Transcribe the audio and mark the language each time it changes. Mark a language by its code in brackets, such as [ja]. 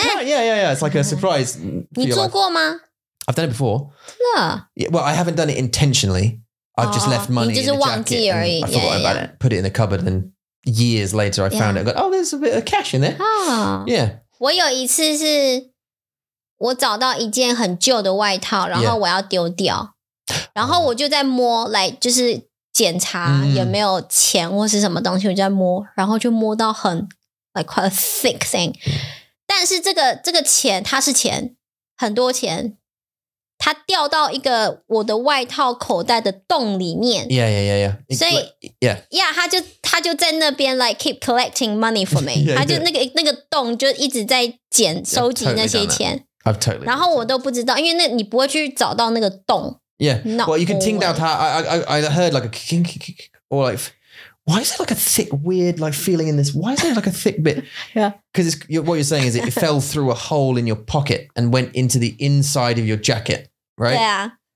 [en] 欸、Yeah, yeah, yeah. It's like a surprise. [zh] 你做过吗 [en] I've done it before. [zh] 真的 [en] yeah, well, I haven't done it intentionally. I've just left money in the jacket. [zh] 你就是忘记而已 [en] I forgot yeah, about yeah. it. Put it in the cupboard and years later I found it. I got, oh, there's a bit of cash in there. Yeah. [zh] 我有一次是我找到一件很旧的外套然后我要丢掉。 Yeah. 然后我就在摸 like, 就是检查有没有钱或是什么东西我就在摸然后就摸到很 [en] like quite a thick thing. [zh] 但是这个钱它是钱很多钱它掉到一个我的外套口袋的洞里面 [en] Yeah, yeah, yeah, yeah. [zh] 所以 [en] Yeah, [zh] yeah 它就在那边 [en] like keep collecting money for me [zh] 它就那个洞就一直在捡收集那些钱 [en] I've totally [zh] 然后我都不知道因为那你不会去找到那个洞 [en] Yeah, well you can [zh] 听到它 [en] I heard like a kink kink or likeWhy is there like a thick, weird, like feeling in this? Why is there like a thick bit? Yeah. Because what you're saying is it fell through a hole in your pocket and went into the inside of your jacket, right? Yeah.